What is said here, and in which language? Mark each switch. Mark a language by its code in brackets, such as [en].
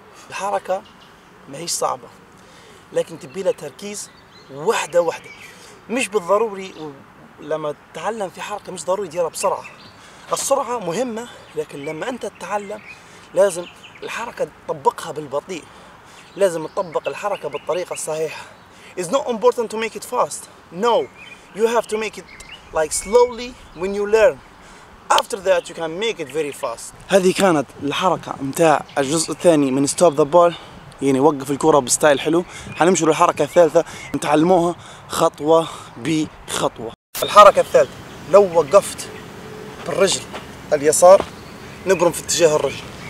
[ar] الحركة ماهيش صعبة، لكن تبي لها تركيز وحدة وحدة. مش بالضروري لما تتعلم في حركة مش ضروري تديرها بسرعة. السرعة مهمة، لكن لما أنت تتعلم لازم الحركة تطبقها بالبطيء. لازم تطبق الحركة بالطريقة الصحيحة. [en] It's not important to make it fast. No, you have to make it like slowly when you learn. After that, you can make it very fast. [ar] هذه كانت الحركة متاع الجزء الثاني من [en] stop the ball، [ar] يعني وقف الكرة بستايل حلو. هنمشي للحركة الثالثة، نتعلموها خطوة بخطوة. الحركة الثالثة، لو وقفت بالرجل اليسار نبرم في اتجاه الرجل.